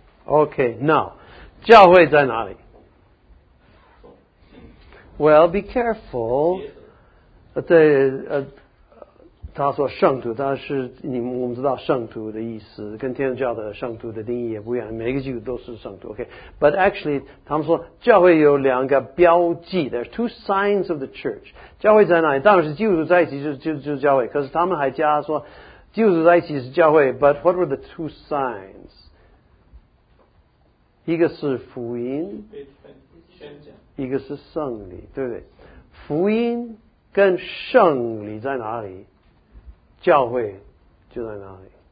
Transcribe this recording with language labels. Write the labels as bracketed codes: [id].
[zh] OK now 教会在哪里？ [en] Well, be careful. [zh] 对，他说圣徒，但是你们我们知道圣徒的意思跟天主教的圣徒的定义也不一样，每个基督都是圣徒。 [en] Okay, but actually, [zh] 他们说教会有两个标记 [en] ，there are two signs of the church. [zh] 教会在哪里？当然是基督徒在一起就是教会。可是他们还加说，基督徒在一起是教会。 [en] But what were the two signs? [zh] 一个是福音。一个是圣礼，对不对？福音跟圣礼在哪里？教会就在哪里。